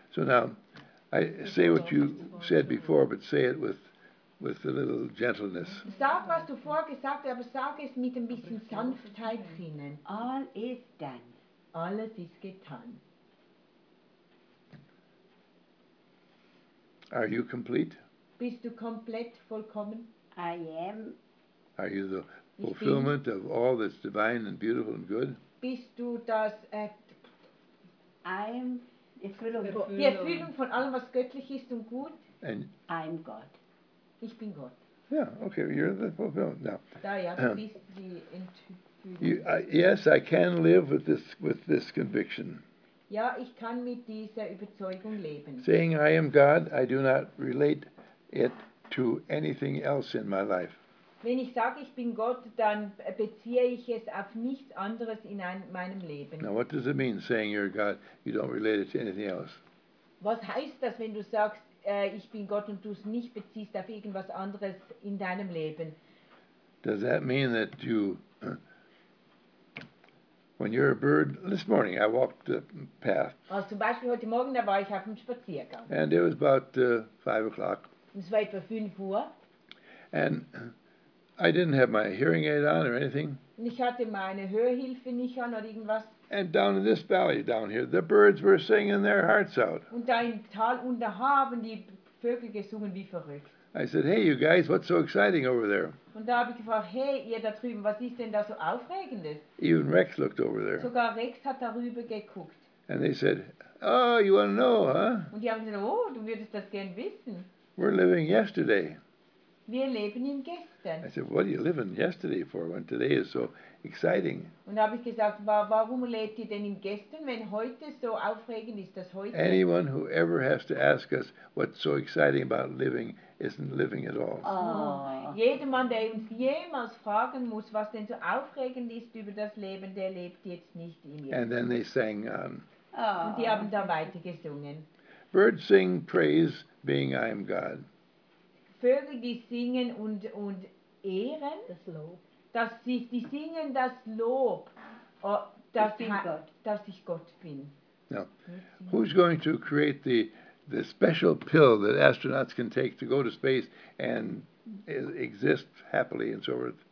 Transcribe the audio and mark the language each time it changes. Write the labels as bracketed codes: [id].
[en] So now, I say what you said before, but say it with a little gentleness. [de] Sag, was du vorgesagt hast, aber sag es mit ein bisschen Sanftheit drinnen. [en] All is done. [de] Alles ist getan. [en] Are you complete? [de] Bist du komplett vollkommen? [en] I am. Are you the fulfillment of all that's divine and beautiful and good? [de] Bist du das [en] I'm [de] Erfüllung. Die Erfüllung von allem, was göttlich ist und gut? [en] And I'm God. [de] Ich bin Gott. [en] Yeah, okay, you're the fulfillment now. [de] Da ja, du bist die Entfüllung. [en] Yes, I can live with this conviction. [de] Ja, ich kann mit dieser Überzeugung leben. [en] Saying I am God, I do not relate it to anything else in my life. [de] Wenn ich sage, ich bin Gott, dann beziehe ich es auf nichts anderes in meinem Leben. [en] Now, what does it mean, saying you're God, you don't relate it to anything else? [de] Was heißt das, wenn du sagst, ich bin Gott und du es nicht beziehst auf irgendwas anderes in deinem Leben? [en] Does that mean that you... When you're a bird, this morning I walked the path. [de] Also zum Beispiel heute Morgen, da war ich auf dem Spaziergang. [en] And it was about 5 o'clock. [de] Es war etwa 5 Uhr. [en] And I didn't have my hearing aid on or anything. [de] Und ich hatte meine Hörhilfe nicht an oder irgendwas. [en] And down in this valley down here, the birds were singing their hearts out. [de] Und da im Tal unter haben die Vögel gesungen wie verrückt. [en] I said, hey, you guys, what's so exciting over there? [de] Und da habe ich gefragt, hey, ihr da drüben, was ist denn da so Aufregendes? [en] Even Rex looked over there. [de] Sogar Rex hat darüber geguckt. [en] And they said, oh, you want to know, huh? [de] Und die haben gesagt, oh, du würdest das gern wissen. [en] We're living yesterday. [de] Wir leben im Gestern. [en] I said, what are you living yesterday for when today is so exciting? [de] Und da habe ich gesagt, warum lebt ihr denn im Gestern, wenn heute so aufregend ist, das heute? [en] Anyone who ever has to ask us what's so exciting about living isn't living at all. Oh. [de] Jedermann, der uns jemals fragen muss, was denn so aufregend ist über das Leben, der lebt jetzt nicht im Jetzt. [en] And then they sang on. Oh. [de] Und die haben da weiter gesungen. [en] Birds sing praise, being I am God. [de] Vögel, die singen und ehren das Lob. Dass sie, die singen das Lob, dass ich bin Gott. Dass ich Gott bin. [en] Now, who's going to create the special pill that astronauts can take to go to space and exist happily and so forth?